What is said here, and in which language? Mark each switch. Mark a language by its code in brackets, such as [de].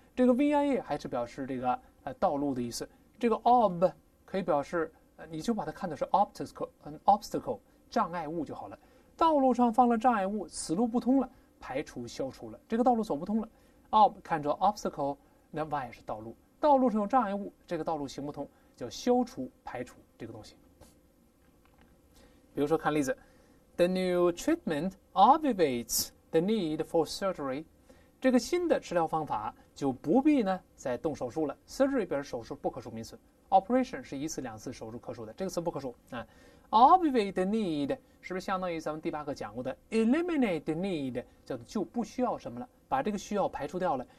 [zh] 这个 via 还是表示这个道路的意思，这个 ob 可以表示你就把它看作是 obstacle 障碍物就好了。道路上放了障碍物，此路不通了，排除消除了，这个道路走不通了。 ob 看作 obstacle，那 why 是道路，道路上有障碍物，这个道路行不通，叫消除、排除这个东西。 [en] 比如说看例子，The new treatment obviates the need for surgery。 [zh] 这个新的治疗方法就不必呢再动手术了。 surgery 表示手术，不可数名词，operation 是一次两次手术可数的，这个词不可数啊。 Obviate the need 是不是相当于咱们第八课讲过的 eliminate the need 叫做就不需要什么了，把这个需要排除掉了。